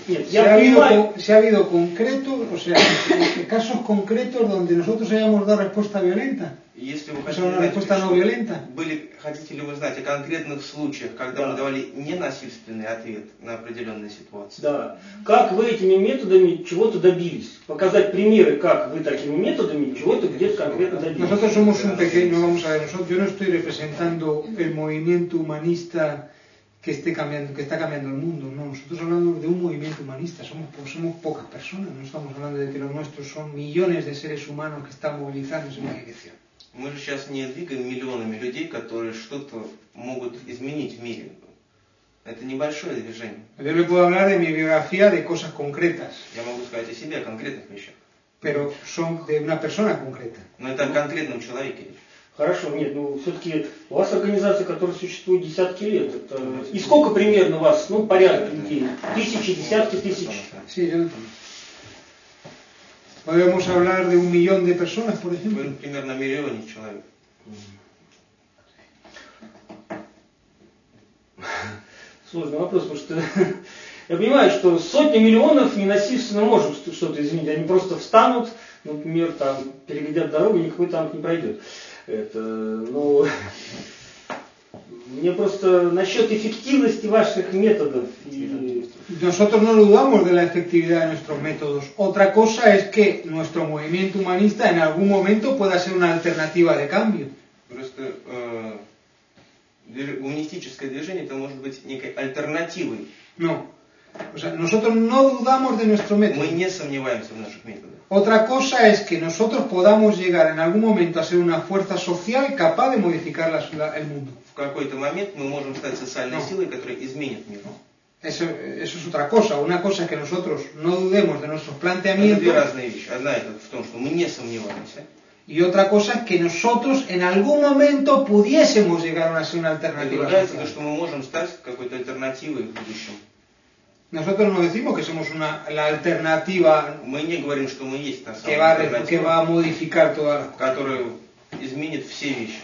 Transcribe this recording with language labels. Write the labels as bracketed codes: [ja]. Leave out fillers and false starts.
[es] Si ha habido concreto, o sea, casos concretos donde nosotros hayamos dado respuesta violenta. Y si respuesta no violenta. [ru] Были, хотите ли вы знать о конкретных случаях, когда мы давали ненасильственный ответ на определенные ситуации? Да. Как вы этими методами чего-то добились? Показать примеры, как вы такими методами чего-то где-то конкретно добились. [es] Nosotros somos un pequeño, vamos a ver, yo no estoy representando el movimiento humanista que está cambiando el mundo. No, nosotros hablamos de un movimiento humanista, somos pocas personas, no estamos hablando de que los nuestros son millones de seres humanos que están movilizándose en la dirección. [ru] Мы же сейчас не двигаем миллионами людей, которые что-то могут изменить в мире. Это небольшое движение. [es] Yo le puedo hablar de mi biografía, de cosas concretas. [ru] Я могу сказать о себе, о конкретных вещах. [es] Pero son de una persona concreta. [ru] Но это о конкретном человеке. Хорошо, нет, ну все-таки у вас организация, которая существует десятки лет, это... И сколько примерно у вас, ну, порядок людей? Тысячи, десятки тысяч? [es] Sí, yo no. Podemos hablar de un millón de personas, por ejemplo. [ru] Примерно миллионе человек. Сложный вопрос, потому что я понимаю, что сотни миллионов ненасильственно можем что-то изменить. Они просто встанут, например, там, перегодят дорогу, никакой танк не пройдет. Это, ну, мне просто насчет эффективности ваших методов. [es] Nosotros no dudamos de la efectividad de nuestros métodos. Otra cosa es que nuestro movimiento humanista en algún momento pueda ser una alternativa de cambio. [ru] Просто гуманистическое движение это может быть некой альтернативой. [es] No. O sea, nosotros no dudamos de nuestro método. [ru] Мы не сомневаемся в наших методах. [es] Otra cosa es que nosotros podamos llegar en algún momento a ser una fuerza social capaz de modificar el mundo. [ru] В какой-то момент мы можем стать социальной силой, которая изменит мир. [es] Eso es otra cosa. Una cosa es que nosotros no dudemos de nuestros planteamientos. [ru] Это две разные вещи. Одна это в том, что мы не сомневаемся. [es] Y otra cosa es que nosotros en algún momento pudiésemos llegar a ser una alternativa. [ru] Другая это то, что мы можем стать какой-то альтернативой в будущем. [es] Nosotros no decimos que somos una la alternativa [ru] говорим, что мы есть та самая [es] que va a modificar toda [ru] которая изменит все вещи.